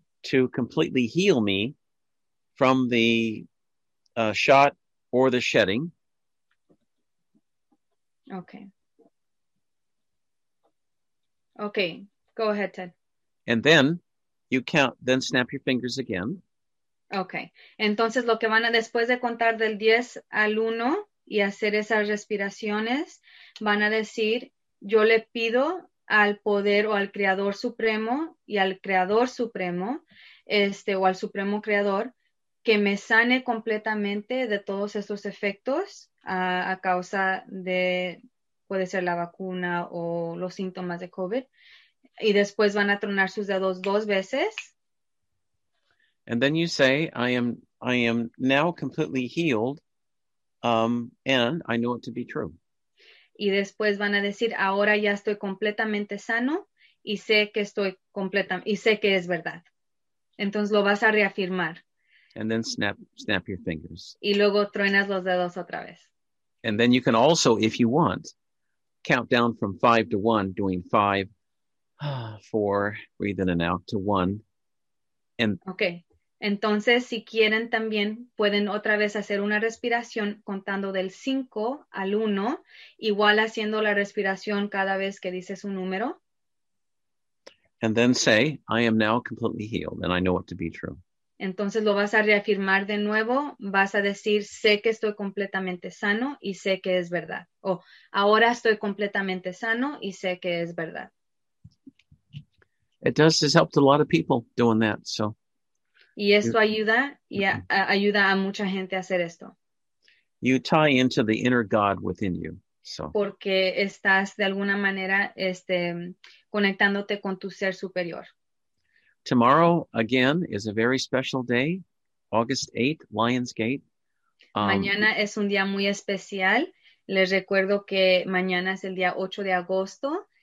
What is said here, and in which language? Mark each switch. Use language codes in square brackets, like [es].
[en] To completely heal me from the shot or the shedding. Okay. Okay, go ahead, Ted. And then you count, then snap your fingers again. Okay. [es] Entonces lo que van a, después de contar del 10 al 1 y hacer esas respiraciones, van a decir, yo le pido al poder o al creador supremo y al creador supremo o al supremo creador que me sane completamente de todos esos efectos a causa de, puede ser la vacuna o los síntomas de COVID, y después van a tronar sus dedos 2 veces. [en] And then you say, I am now completely healed, and I know it to be true. [es] Y después van a decir, ahora ya estoy completamente sano y sé que estoy completa y sé que es verdad. Entonces lo vas a reafirmar. [en] And then snap your fingers. [es] Y luego truenas los dedos otra vez. [en] And then you can also, if you want, count down from 5 to 1, doing 5, 4, breathe in and out to 1. And okay. [es] Entonces, si quieren también, pueden otra vez hacer una respiración contando del 5 al 1, igual haciendo la respiración cada vez que dices un número. [en] And then say, I am now completely healed, and I know it to be true. [es] Entonces lo vas a reafirmar de nuevo, vas a decir, sé que estoy completamente sano y sé que es verdad. O ahora estoy completamente sano y sé que es verdad. [en] It does, has helped a lot of people doing that, so. [es] Y esto ayuda, y ayuda a mucha gente a hacer esto. [en] You tie into the inner God within you, so. [es] Porque estás de alguna manera conectándote con tu ser superior. [en] Tomorrow, again, is a very special day, August 8th, Lionsgate. [es] Mañana es un día muy especial. Les recuerdo que mañana es el día 8 de agosto.